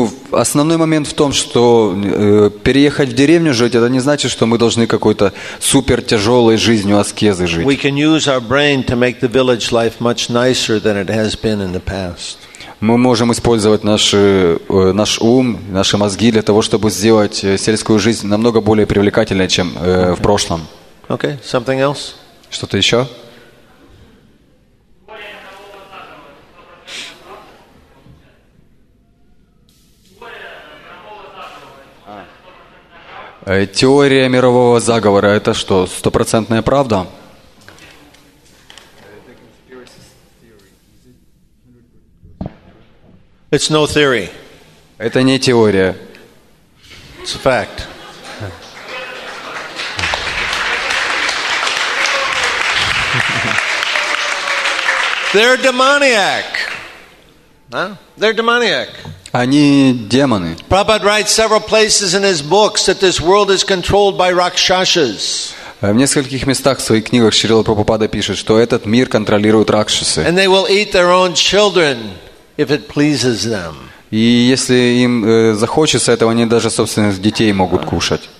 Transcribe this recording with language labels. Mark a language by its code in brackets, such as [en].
[ru] Основной момент в том, что переехать в деревню жить, это не значит, что мы должны какой-то супер тяжелой жизнью аскезы жить. [en] We can use our brain to make the village life much nicer than it has been in the past. [ru] Мы можем использовать наш ум, наши мозги для того, чтобы сделать сельскую жизнь намного более привлекательной, чем в прошлом. [en] Okay, something else? [ru] Что-то еще? Теория мирового заговора – это что, стопроцентная правда? [en] It's no theory. [ru] Это не теория. [en] It's a fact. They're demoniac. Huh? They're demoniac. [ru] Они демоны. [en] Prabhupada writes several places in his books that this world is controlled by rakshasas. [ru] В нескольких местах в своих книгах Шрила Прабхупада пишет, что этот мир контролируют ракшасы. [en] And they will eat their own children. If it pleases them. [ru] И если им захочется этого, они даже собственных детей могут кушать.